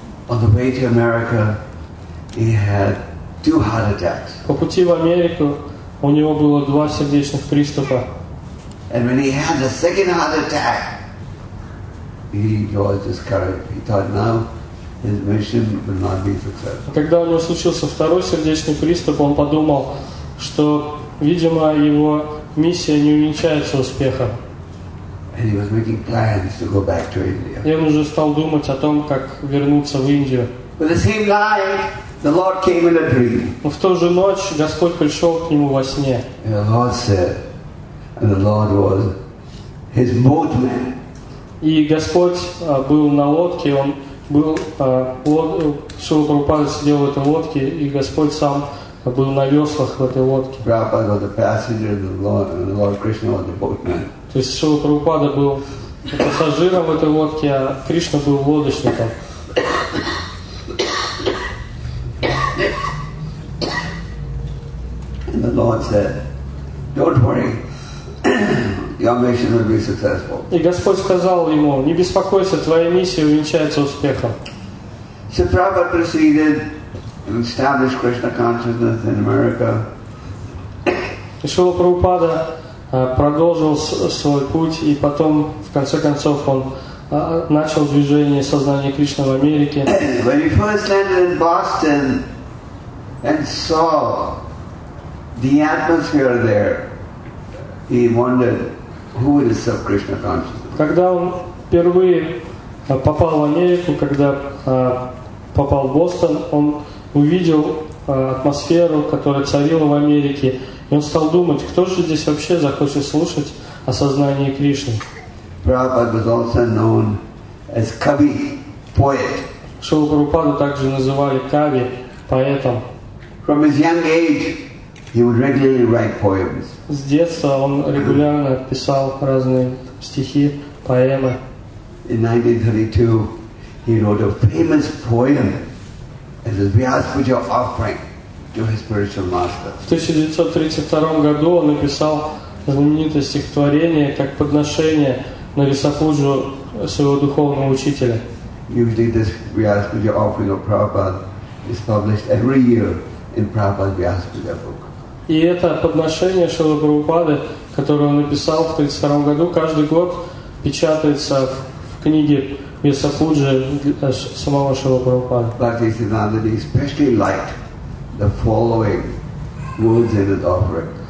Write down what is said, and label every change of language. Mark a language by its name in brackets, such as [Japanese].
[English] On the way to America, he had 2 heart attacks. [Russian] По пути в Америку у него было 2 сердечных приступа. [English] And when he had the second heart attack, he lost his courage. He thought now his mission would not be successful. [Russian] Когда у него случился второй сердечный приступ, он подумал, что, видимо, его миссия не увенчается успехом. [English] And he was making plans to go back to India. [Russian] И он уже стал думать о том, как вернуться в Индию. [English] But the same night, the Lord came in a dream. [Russian] В ту же ночь Господь пришел к нему во сне. [English] And the Lord said, and the Lord was his boatman. [Russian] И Господь был на лодке, он был, Шрила Прабхупада сидел в этой лодке, и Господь сам был на веслах в этой лодке. [English] Prabhupada was the passenger, the Lord Krishna was the boatman. [Russian] То есть Шрила Прабхупада был пассажиром в этой лодке, а Кришна был лодочником. [English] And the Lord said, don't worry. your mission will be successful. [Russian] И Господь сказал ему: не беспокойся, твоя миссия увенчается успехом. [English] So Prabhupada proceeded and established Krishna consciousness in America. [Russian] И Шрила Прабхупада продолжил свой путь, и потом в конце концов он начал движение сознания Кришны в Америке. [English] When he first landed in Boston and saw the atmosphere there, he wondered who is sub Krishna consciousness. [Russian] Когда он впервые попал в Америку, когда попал в Бостон, он увидел атмосферу, которая царила в Америке, и он стал думать, кто же здесь вообще захочет слушать о сознании Кришны. [English] Prabhupada was also known as Kavi, poet. [Russian] Шрила Прабхупаду также называли Кави, поэтом. [English] From his young age, he would regularly write poems. [Russian] С детства он регулярно писал разные стихи, поэмы. [English] In 1932, he wrote a famous poem as a Vyas Puja offering to his spiritual master. [Russian] В 1932 году он написал знаменитое стихотворение как подношение на Висапуджу своего духовного учителя. [English] Usually this Vyas Puja offering of Prabhupada is published every year in Prabhupada's Vyas Puja book. [Russian] И это подношение Шрилы Прабхупады, которое он написал в 32 году, каждый год печатается в книге Висапуджи самого Шрилы Прабхупады. [English] Bhakti Siddhanta especially liked the following words in his offering.